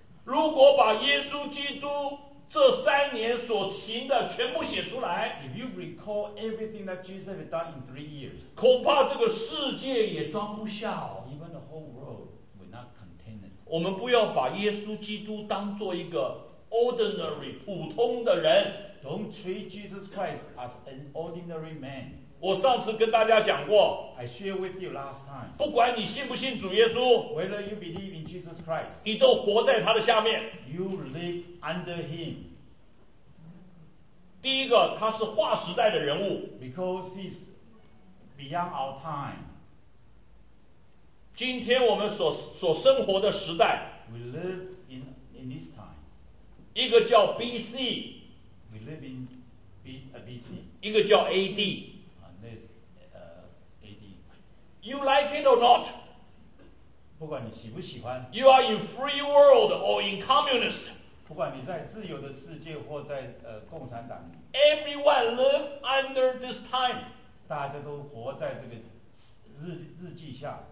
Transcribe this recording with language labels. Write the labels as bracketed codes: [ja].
[zh] 如果把耶稣基督这三年所行的全部写出来， [en] If you recall everything that Jesus had done in three years, [zh] 恐怕这个世界也装不下哦。 [en] Even the whole world will not contain it. [zh] 我们不要把耶稣基督当做一个 ordinary 普通的人。 [en] Don't treat Jesus Christ as an ordinary man. [zh] 我上次跟大家讲过， [en] I shared with you last time. [zh] 不管你信不信主耶稣， [en] Whether you believe in Jesus Christ, [zh] 你都活在他的下面。 [en] You live under him. [zh] 第一个，他是划时代的人物。 [en] Because he's beyond our time. [zh] 今天我们所生活的时代， [en] We live in this time. [zh] 一个叫 BC。 [en] We live in BC. [zh] 一个叫 AD. [en] AD. You like it or not? [zh] 不管你喜不喜欢。 [en] You are in free world or in communist. [zh] 不管你在自由的世界或在共产党。 [en] Everyone live under this time. [zh] 大家都活在这个日记下。